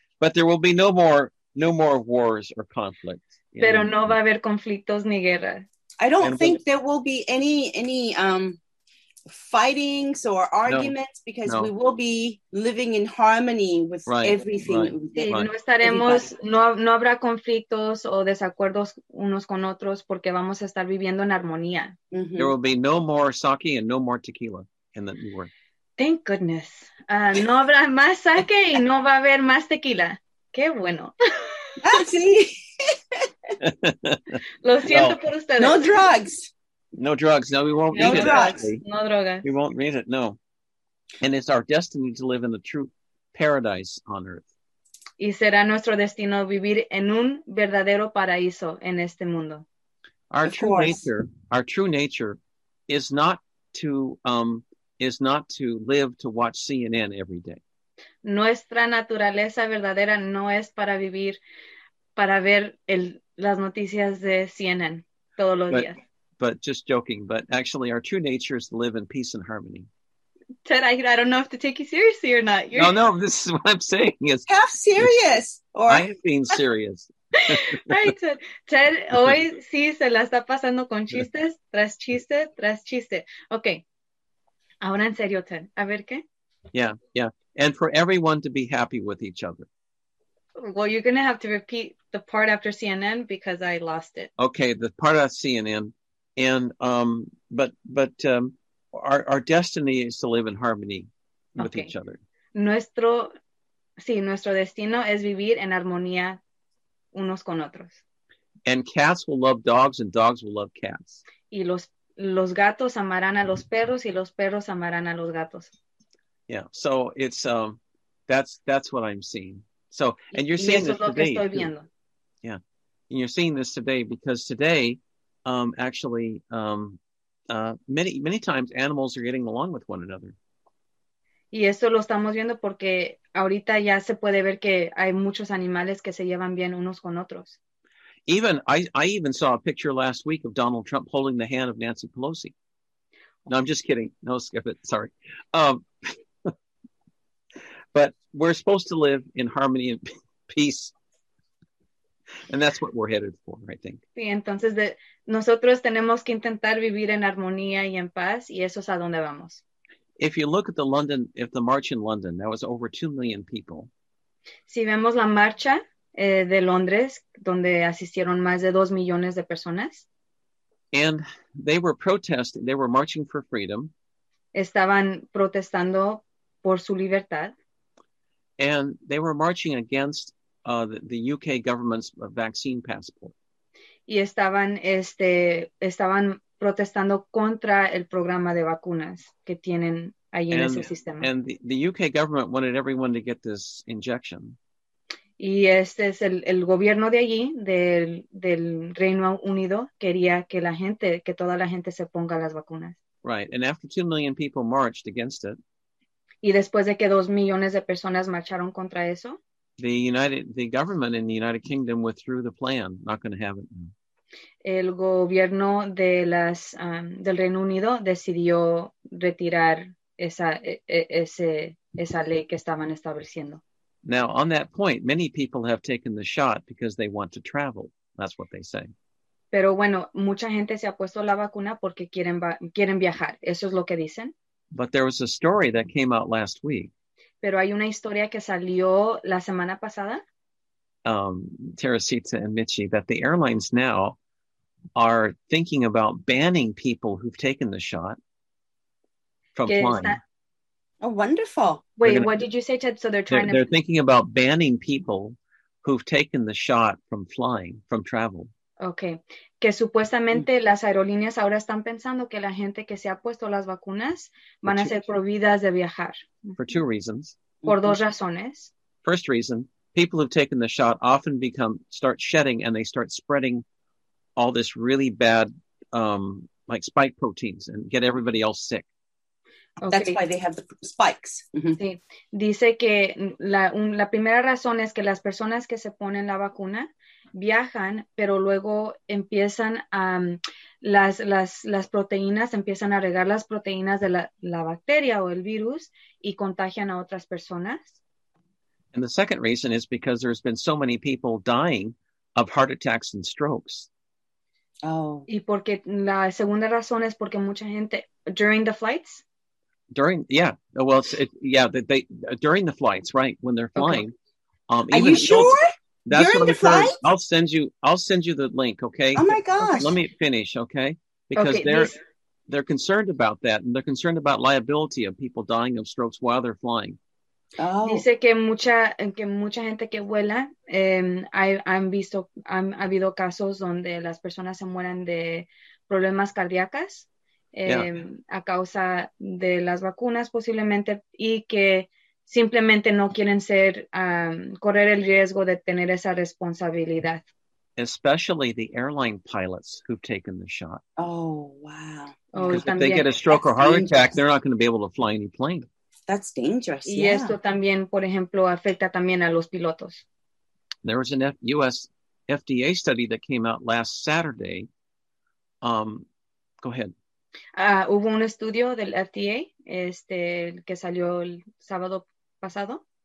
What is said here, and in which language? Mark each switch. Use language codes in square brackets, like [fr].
[en] But there will be no more wars or conflicts. [es] Pero no va a haber conflictos ni guerras. [en] I don't think there will be any fightings or arguments because we will be living in harmony with everything. Right. [es] Sí, no estaremos, no habrá conflictos o desacuerdos unos con otros porque vamos a estar viviendo en armonía. Mm-hmm. [en] There will be no more sake and no more tequila in the new world. Thank goodness. [es] No habrá más sake y no va a haber más tequila. Qué bueno. Ah, sí. Lo siento por ustedes. [en] No drugs. No drugs. No, we won't need it. No drugs. We won't need it. No. And it's our destiny to live in the true paradise on earth. [es] Y será nuestro destino vivir en un verdadero paraíso en este mundo. [en] Our true nature is not to live to watch CNN every day. [es] Nuestra naturaleza verdadera no es para vivir para ver las noticias de CNN todos los días. [en] But just joking, but actually our true nature is to live in peace and harmony. Ted, I don't know if to take you seriously or not. No, this is what I'm saying. Is half serious. I am being serious. Right, [es] Ted, hoy sí se la está pasando con chistes, tras chiste, tras chiste. Okay, ahora en serio, Ted, a ver qué. [en] Yeah, and for everyone to be happy with each other. Well, you're going to have to repeat the part after CNN because I lost it. Okay, the part of CNN. And our destiny is to live in harmony with each other. [es] Nuestro destino es vivir en armonía unos con otros. [en] And cats will love dogs, and dogs will love cats. [es] Y los gatos amarán a los perros, y los perros amarán a los gatos. [en] Yeah. So it's that's what I'm seeing. So and you're seeing [es] y eso [en] this [es] lo que [en] today. [es] Estoy viendo. [en] Yeah, and you're seeing this today because today. Many times animals are getting along with one another. [es] Y eso lo estamos viendo porque ahorita ya se puede ver que hay muchos animales que se llevan bien unos con otros. [en] Even I even saw a picture last week of Donald Trump holding the hand of Nancy Pelosi. No, I'm just kidding. No, skip it. Sorry. but we're supposed to live in harmony and peace. And that's what we're headed for, I think. [es] Sí, entonces nosotros tenemos que intentar vivir en armonía y en paz, y eso es a donde vamos. [en] If you look at the march in London, that was over 2 million people. [es] Si vemos la marcha de Londres, donde asistieron más de 2 millones de personas. [en] And they were protesting, they were marching for freedom. [es] Estaban protestando por su libertad. [en] And they were marching against the UK government's vaccine passport. [es] Y estaban protestando contra el programa de vacunas que tienen ahí en ese sistema. [en] And the UK government wanted everyone to get this injection. [es] Y este es el gobierno de allí, del Reino Unido, quería que la gente, que toda la gente se ponga las vacunas. [en] Right, and after 2 million people marched against it. [es] Y después de que 2 millones de personas marcharon contra eso. [en] The government in the United Kingdom withdrew the plan. Not going to have it. [es] El gobierno de del Reino Unido decidió retirar esa ley que estaban estableciendo. [en] Now, on that point, many people have taken the shot because they want to travel. That's what they say. [es] Pero bueno, mucha gente se ha puesto la vacuna porque quieren viajar. Eso es lo que dicen. [en] But there was a story that came out last week. [es] Pero hay una historia que salió la semana pasada. [en] Teresita and Michi, that the airlines now are thinking about banning people who've taken the shot from flying. Oh, wonderful. Wait, what did you say, Ted? So they're thinking about banning people who've taken the shot from flying, from travel. Okay. [es] Que supuestamente las aerolíneas ahora están pensando que la gente que se ha puesto las vacunas van a ser prohibidas de viajar. [en] For two reasons. [es] Por dos razones. [en] First reason, people who've taken the shot often start shedding and they start spreading all this really bad, like spike proteins and get everybody else sick. Okay. That's why they have the spikes. Mm-hmm. [es] Sí. Dice que la primera razón es que las personas que se ponen la vacuna viajan, pero luego empiezan a las proteínas, empiezan a regar las proteínas de la bacteria o el virus y contagian a otras personas. [en] And the second reason is because there's been so many people dying of heart attacks and strokes. [es] Oh. Y porque la segunda razón es porque mucha gente [en] during the flights. During, yeah, well, they during the flights, right? When they're flying. Okay. Are even you adults, sure? That's during what the flights? I'll send you the link, okay? Oh my gosh. Let me finish, okay? Because they're concerned about that, and they're concerned about liability of people dying of strokes while they're flying. Oh. [es] Dice que mucha gente que vuela ha habido casos donde las personas se mueren de problemas cardíacos a causa de las vacunas posiblemente y que simplemente no quieren ser correr el riesgo de tener esa responsabilidad. [en] Especially the airline pilots who've taken the shot. Oh, wow. Because if they get a stroke or heart attack, they're not going to be able to fly any plane. That's dangerous. [es] Y esto también, por ejemplo, afecta también a los pilotos. [en] There was an U.S. FDA study that came out last Saturday. Go ahead. [es] Hubo un estudio del FDA que salió el sábado pasado.